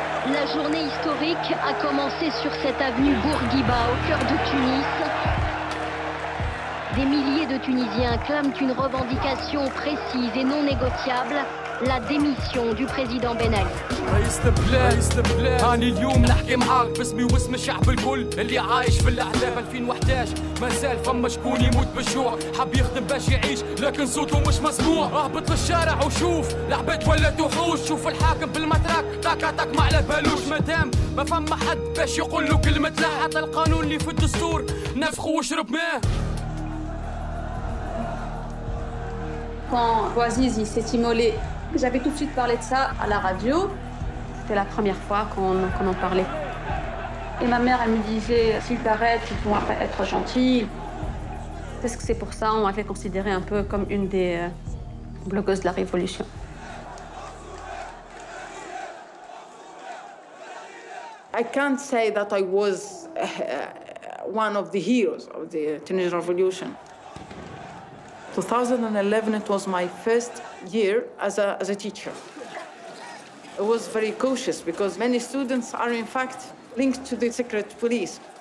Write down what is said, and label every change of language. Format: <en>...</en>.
<fr>La journée historique a commencé sur cette avenue Bourguiba au cœur de Tunis. Des milliers de Tunisiens clament une revendication précise et non négociable, la démission du président Ben Ali.</fr> <ar>مازال فما شكون يموت بالجوع حاب يخدم باش يعيش لكن صوته مش مسموع اهبط للشارع وشوف العباد ولات وحوش شوف الحاكم بالمتراك تاكا تاك ما على بالوش مادام ما فما حد باش يقول له كلمة لا حتى القانون اللي في الدستور نفخه وشرب ماه</ar> <fr>Quand Boaziz s'est immolé, j'avais tout de suite parlé de ça à la radio. C'était la première fois qu'on en parlait. Et ma mère, elle me disait, s'ils t'arrêtent, ils vont être gentils. Est-ce que c'est pour ça qu'on m'avait considérée un peu comme une des blogueuses de la Révolution?</fr> <en>I can't say that I was one of the heroes of the Tunisian Revolution. 2011, it was my first year as a teacher. I was very cautious because many students are in fact linked to the secret police.</en>